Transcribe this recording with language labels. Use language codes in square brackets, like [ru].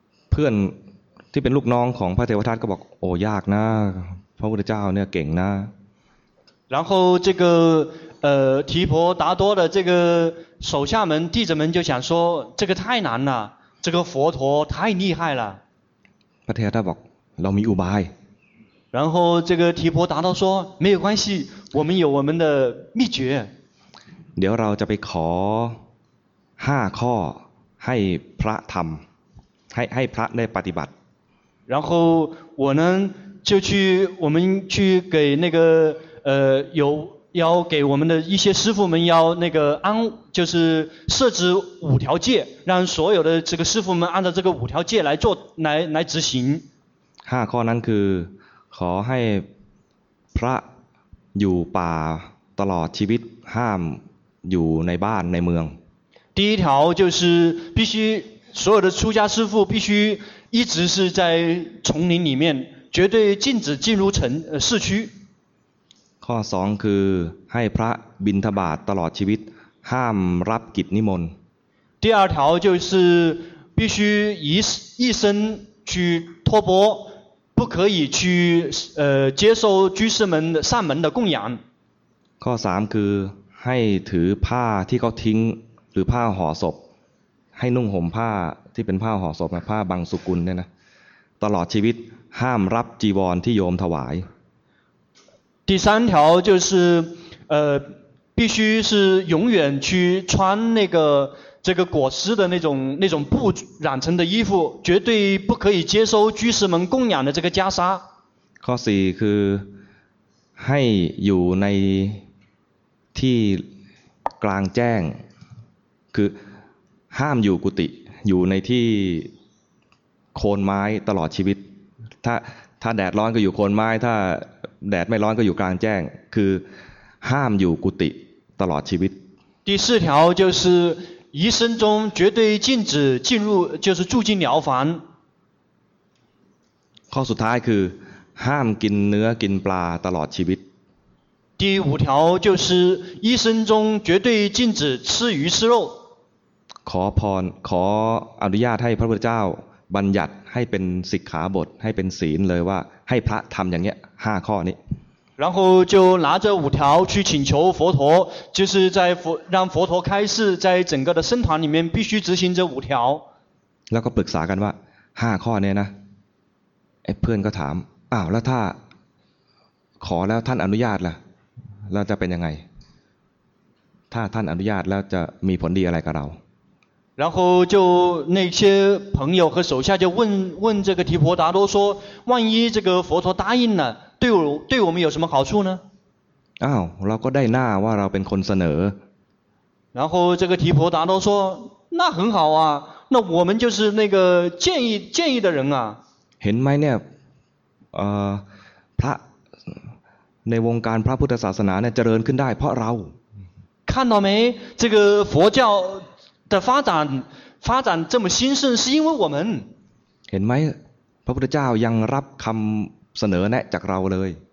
[th] เพื่อนที่เป็นลูกน้องของพระเทวทัตก็บอกโอ้ยากนะพระพุทธเจ้าเนี่ยเก่งนะ [zh] 然后这个提婆达多的这个手下们弟子们就想说这个太难了这个佛陀太厉害了 [th] พระเทวทัตบอกเรามีอุบาย [zh] 然后这个提婆达多说没有关系我们有我们的秘诀 [th] เดี๋ยวเราจะไปขอ5ข้อให้พระทำให้พระได้ปฏิบัติ [zh] 然后我呢就去我们去给那个有要给我们的一些师父们要那个安就是设置五条戒让所有的这个师父们按照这个五条戒来做来执行 [th] 5ข้อนั้นคือขอให้พระอยู่ป่าตลอดชีวิตห้ามอยู่ในบ้านในเมือง [zh] 第一条就是必须所有的出家师父必须一直是在丛林里面绝对禁止进入城市区 [th] ข้อ2คือให้พระบิณฑบาตตลอดชีวิตห้ามรับกิจนิมนต์ [zh] 第二条就是必须一生去托钵不可以去接受居士们上门的供养 [th] ข้อ3คือให้ถือผ้าที่เขาทิ้งหรือผ้าห่อศพให้นุ่งห่มผ้าที่เป็นผ้าห่อศพผ้าบังสุกุลเนี่ยนะตลอดชีวิตห้ามรับจีวรที่โยมถวาย [zh] 第三条就是必须是永远去穿那个这个裹尸的那种布染成的衣服绝对不可以接收居士们供养的这个袈裟 [th] ข้อ4คือให้อยู่ในที่กลางแจ้งคือห้ามอยู่กุฏิอยู่ในที่โคนไม้ตลอดชีวิตถ้าแดดร้อนก็อยู่โคนไม้ถ้าแดดไม่ร้อนก็อยู่กลางแจ้งคือห้ามอยู่กุฏิตลอดชีวิต [zh] 第四条就是一生中绝对禁止进入就是住进寮房 [th] ข้อสุดท้ายคือห้ามกินเนื้อกินปลาตลอดชีวิต [zh] 第五条就是一生中绝对禁止吃鱼吃肉 [th] ขอพรขออนุญาตให้พระพุทธเจ้าบัญญัติให้เป็นสิกขาบทให้เป็นศีลเลยว่าให้พระทำอย่างเงี้ย5ข้อนี้ [zh] 然后就拿着五条去请求佛陀就是在佛让佛陀开示在整个的僧团里面必须执行这五条 [th] แล้วก็ปรึกษากันว่า5ข้อเนี่ยนะไอ้เพื่อนก็ถามอ้าวแล้วถ้าขอแล้วท่านอนุญาตล่ะเราจะเป็นยังไงถ้าท่านอนุญาตแล้วจะมีผลดีอะไรกับเรา [zh] 然后就那些朋友和手下就问这个提婆达多说万一这个佛陀答应了对我们有什么好处呢 [th] อ้าวเราก็ได้หน้าว่าเราเป็นคนเสน [zh] อ然后这个提婆达多说那很好啊那我们就是那个建议的人啊 [th] เห็นไหมเนี่ยพระในวงการพระพุทธศาสนาเนี่ยเจริญขึ้นได้เพราะเรา [zh] 看到没这个佛教的发展这么兴盛是因为我们 [th] เห็นไหมพระพุทธเจ้ายังรับคำเสนอแนะจากเราเลย